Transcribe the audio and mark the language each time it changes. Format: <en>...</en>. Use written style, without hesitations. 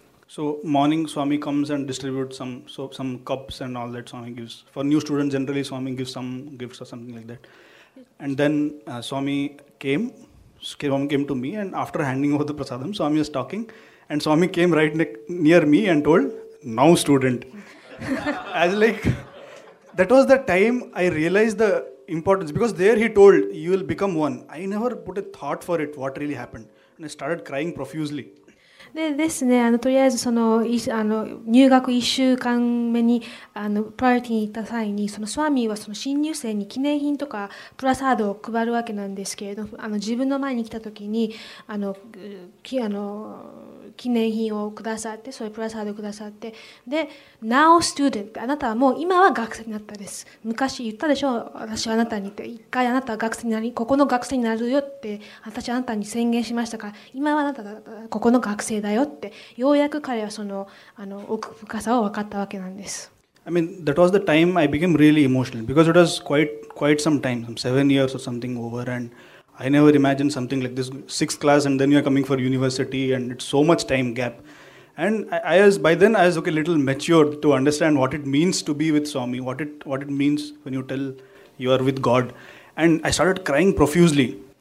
<en>So morning Swami comes and distributes some cups and all that. Swami gives for new students, generally Swami gives some gifts or something like that, and then Swami came to me, and after handing over the prasadam, Swami was talking, and Swami came right near me and told, now student. I was like, that was the time I realized the importance, because there he told, you will become one. I never put a thought for it, what really happened. And I started crying profusely.</en> <ja>でですね、とりあえずその入学1週間目にプライオリティに行った際に、そのスワミはその新入生に記念品とかプラサードを配るわけなんですけれど、自分の前に来た時に記念品をくださって、それプラサードをくださって、で</ja> <en>Now student、</en> <ja>あなたはもう今は学生になったです、昔言ったでしょう、私はあなたにって、一回あなたは学生になり、ここの学生になるよって私はあなたに宣言しましたから、今はあなたはここの学生だよって、ようやく彼はその奥深さを分かったわけなんです。</ja> <en>I mean that was the time I became really emotional, because it was quite some time, some 7 years or something over, and I never imagined something like this, 6th class and then you are coming for university, and it's so much time gap, and I was by then I was okay, little matured to understand what it means to be with Swami, what it means when you tell you are with God, and I started crying profusely.</en>